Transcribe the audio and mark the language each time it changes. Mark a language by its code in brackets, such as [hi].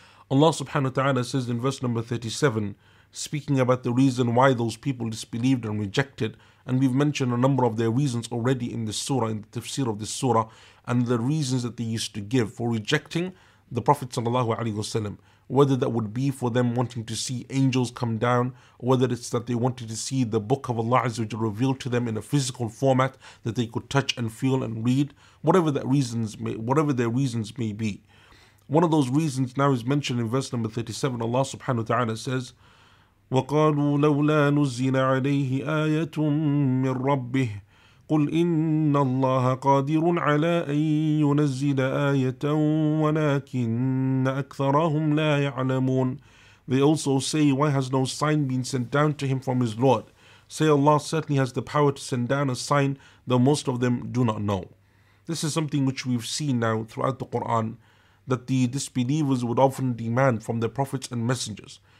[en] Allah subhanahu wa ta'ala says in verse number 37, speaking about the reason why those people disbelieved and rejected, and we've mentioned a number of their reasons already in this surah, in the tafsir of this surah, and the reasons that they used to give for rejecting the Prophet sallallahu alaihi wasallam, whether that would be for them wanting to see angels come down, whether it's that they wanted to see the book of Allah Azza wa Jalla revealed to them in a physical format that they could touch and feel and read, whatever their reasons may be. One of those reasons now is mentioned in verse number 37. [ar] Allah subhanahu wa ta'ala says, وَقَالُوا لَوْلَا نُزِّلَ عَلَيْهِ آيَةٌ مِّن رَبِّهِ قُلْ إِنَّ اللَّهَ قَادِرٌ عَلَىٰ أَن يُنَزِّلَ آيَةً وَلَكِنَّ أَكْثَرَهُمْ لَا يَعْلَمُونَ. [en] They also say, why has no sign been sent down to him from his Lord? Say, Allah certainly has the power to send down a sign, though most of them do not know. This is something which we've seen now throughout the Quran, that the disbelievers would often demand from their prophets and messengers.